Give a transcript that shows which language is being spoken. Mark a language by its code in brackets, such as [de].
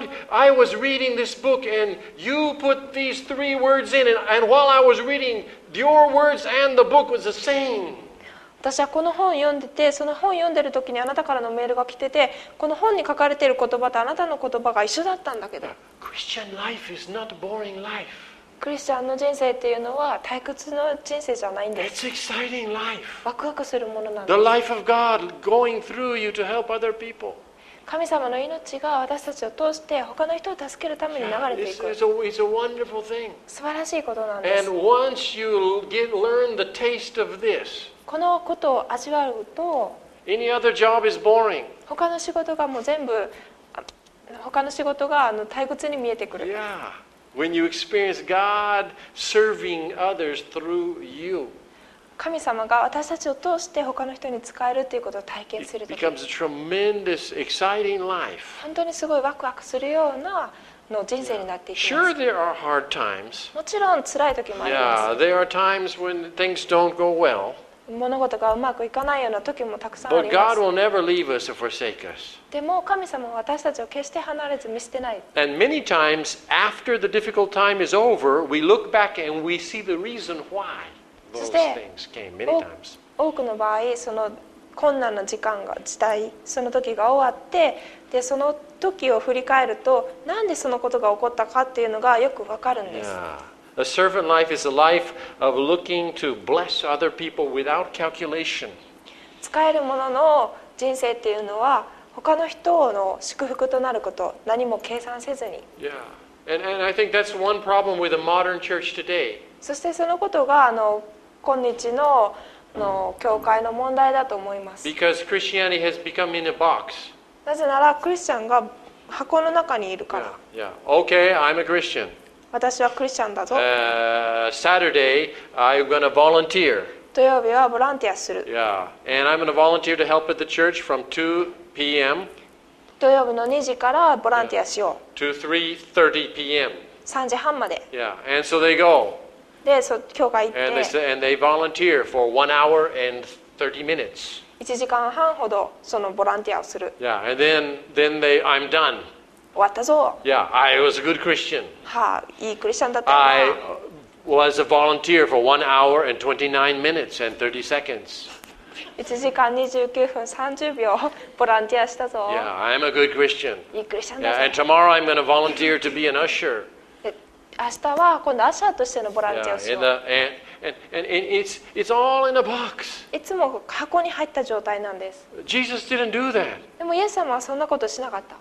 [en] I was reading this book and you put these three words in and while I was reading, your words and the book was the same. [ja] 私はこの本を読んでて、その本を読んでる時にあなたからのメールが来てて、この本に書かれている言葉とあなたの言葉が一緒だったんだけど。 [en] Christian life is not boring life. [ja] クリスチャンの人生っていうのは退屈の人生じゃないんです。 [en] It's exciting life. [ja] ワクワクするものなんです。 [en] The life of God going through you to help other people. [ja] 神様の命が私たちを通して他の人を助けるために流れていく。 [en] It's a wonderful thing. [ja] 素晴らしいことなんです。 [en] And once you learn the taste of this, [ja] このことを味わうと、 [en] any other job is boring. [ja] 他の仕事がもう全部、他の仕事が退屈に見えてくる。 [en] Yeah. When you experience God serving others through you, [ja] 神様が私たちを通して他の人に使えるということを体験する時、 [en] it becomes a tremendous, exciting life. [ja] 本当にすごいワクワクするような人生になっていきます。 [en] Yeah. Sure, there are hard times. [ja] もちろん辛い時もあります。 [en] Yeah, there are times when things don't go well. [ja] 物事がうまくいかないような時もたくさんあります。 [en] But God will never leave us or forsake us. [ja] でも神様は私たちを決して離れず見捨てない。 [en] And many times after the difficult time is over, we look back and we see the reason why those things came many times. [ja] 多くの場合、その困難な時間が時代、その時が終わって、でその時を振り返ると、なんでそのことが起こったかっていうのがよくわかるんです。 [en] Yeah. A servant life is a life of looking to bless other people without calculation. [ja] 使えるものの人生っていうのは他の人の祝福となること、何も計算せずに、 [en] And I think that's one problem with the modern church today. [ja] そしてそのことが今日の教会の問題だと思います。 [en] Because Christianity has become in a box. [ja] なぜならクリスチャンが箱の中にいるから。 [en] Yeah, yeah. Okay, I'm a Christian. [ja] 私はクリスチャンだぞ。 [en] Saturday, I'm going to volunteer. [ja] 土曜日はボランティアする。 [en] Yeah, and I'm going to volunteer to help at the church from 2 p.m. [ja] 土曜日の2時からボランティアしよう。 [en] Yeah. To 3:30 p.m. [ja] 3時半まで。 [en] Yeah, and so they go. [ja] で、そ教会行って。 [en] And they volunteer for 1 hour and 30 minutes. [ja] 1時間半ほどそのボランティアをする。 [en] Yeah, and then I'm done. [ja] 終わったぞ。 [en] Yeah, I was a good Christian. [ja] はあ、いいクリスチャンだったな。 [en] I was a volunteer for 1 hour and 29 minutes and 30 seconds. [ja] 1時間29分30秒ボランティアしたぞ。 [en] Yeah, I'm a good Christian. [ja] いいクリスチャンだぞ。 [en] Yeah, and tomorrow I'm going to volunteer to be an usher. [ja] 明日は今度アシャーとしてのボランティアをしよう。 [en] Yeah, and it's all in a box. [ja] いつも箱に入った状態なんです。 [en] Jesus didn't do that. [ja] でもイエス様はそんなことしなかった。